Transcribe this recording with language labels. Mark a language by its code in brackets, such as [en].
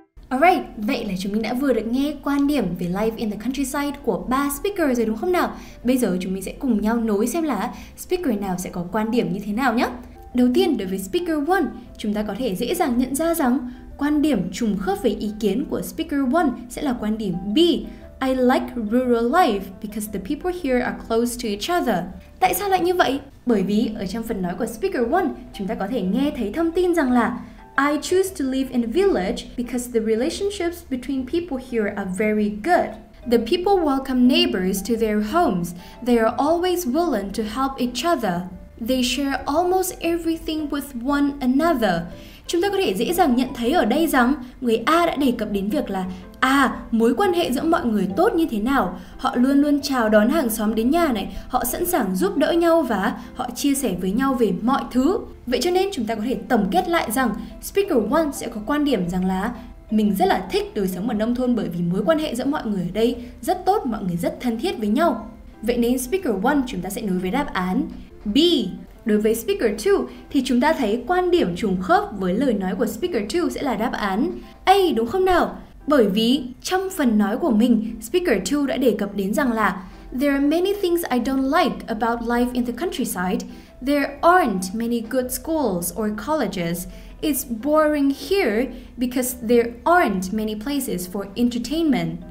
[vi] Alright, vậy là chúng mình đã vừa được nghe quan điểm về [en] life in the countryside [vi] của 3 speaker rồi đúng không nào? Bây giờ chúng mình sẽ cùng nhau nối xem là speaker nào sẽ có quan điểm như thế nào nhé. Đầu tiên, đối với speaker 1, chúng ta có thể dễ dàng nhận ra rằng quan điểm trùng khớp với ý kiến của speaker 1 sẽ là quan điểm B. [en] I like rural life because the people here are close to each other. [vi] Tại sao lại như vậy? Bởi vì ở trong phần nói của speaker 1, chúng ta có thể nghe thấy thông tin rằng là [en] I choose to live in a village because the relationships between people here are very good. The people welcome neighbors to their homes. They are always willing to help each other. They share almost everything with one another. [vi] Chúng ta có thể dễ dàng nhận thấy ở đây rằng người A đã đề cập đến việc là mối quan hệ giữa mọi người tốt như thế nào. Họ luôn luôn chào đón hàng xóm đến nhà này, họ sẵn sàng giúp đỡ nhau và họ chia sẻ với nhau về mọi thứ. Vậy cho nên chúng ta có thể tổng kết lại rằng speaker 1 sẽ có quan điểm rằng là mình rất là thích đời sống ở nông thôn bởi vì mối quan hệ giữa mọi người ở đây rất tốt, mọi người rất thân thiết với nhau. Vậy nên speaker 1 chúng ta sẽ nối với đáp án B. Đối với speaker 2 thì chúng ta thấy quan điểm trùng khớp với lời nói của speaker 2 sẽ là đáp án A, đúng không nào? Bởi vì trong phần nói của mình, speaker 2 đã đề cập đến rằng là [en] There are many things I don't like about life in the countryside. There aren't many good schools or colleges. It's boring here because there aren't many places for entertainment.